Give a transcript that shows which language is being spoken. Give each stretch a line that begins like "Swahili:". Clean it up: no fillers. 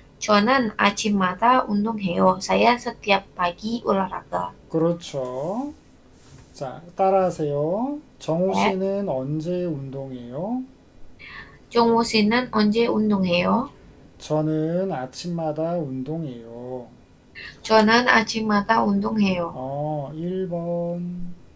Korean: 저는 아침마다 운동해요.
Indonesian: Saya setiap pagi olahraga.
Korean: 그렇죠. 자, 따라하세요. 정우 씨는 언제 운동해요? 정우 씨는 언제 운동해요? 저는 아침마다 운동해요. 저는 아침마다 운동해요. 1번.